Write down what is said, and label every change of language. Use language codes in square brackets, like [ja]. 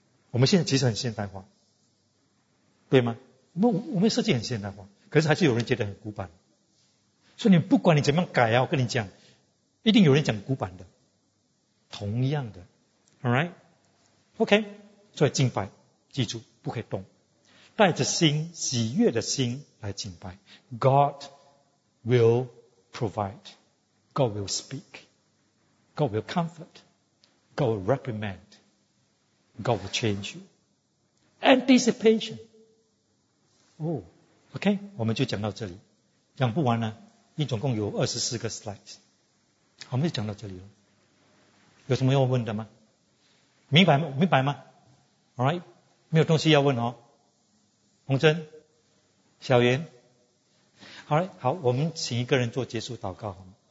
[zh] 我们现在其实很现代化，对吗？我们设计很现代化，可是还是有人觉得很古板。所以你不管你怎么改啊，我跟你讲，一定有人讲古板的。同样的 ，All right, OK, 所以敬拜，记住不可以动，带着心喜悦的心来敬拜。 [en] God will provide, God will speak, God will comfort, God will reprimand, God will change you. Anticipation. [zh] Oh, OK, 我们就讲到这里，讲不完呢。你总共有24个 slides, 我们就讲到这里了。有什么要问的吗？明白吗？明白吗 ？Alright, 没有东西要问哦。洪真、小袁 ，Alright, 好，我们请一个人做结束祷告，好吗？